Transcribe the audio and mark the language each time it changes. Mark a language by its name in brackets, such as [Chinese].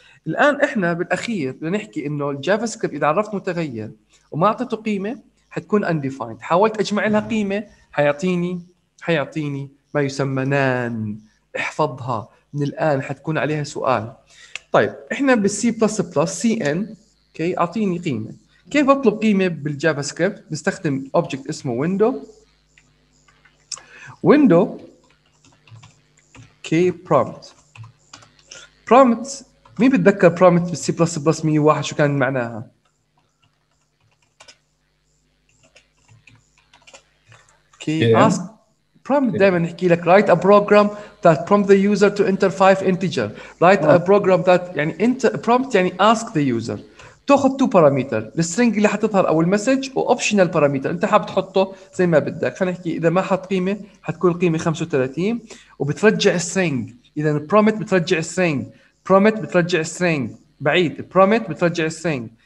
[Arabic] الآن إحنا بالأخير بنحكي إنه الجافا سكريبت إذا عرفت متغير وما أعطته قيمة حتكون undefined، حاولت أجمع لها قيمة حيعطيني ما يسمى نان، احفظها من الآن حتكون عليها سؤال. طيب إحنا بالسي بلس بلس سي إن أوكي أعطيني قيمة، كيف أطلب قيمة بالجافا سكريبت؟ بستخدم أوبجكت اسمه ويندو، ويندو كي برومت. برومت مين بتذكر برومت بالسي بلس بلس 101 شو كان معناها؟ كي اسك برومت دائما نحكي لك [English] write a program that prompt the user to enter 5 integer، write a program that [Arabic] يعني enter prompt يعني [English] ask the user. [Arabic] تاخذ تو باراميتر، السترنج اللي حتظهر او المسج واوبشنال باراميتر انت حاب تحطه زي ما بدك. فنحكي اذا ما حط قيمه حتكون القيمه 35 وبترجع السترنج، اذا البرومت بترجع السترنج، برومت بترجع السترنج بعيد، برومت بترجع السترنج.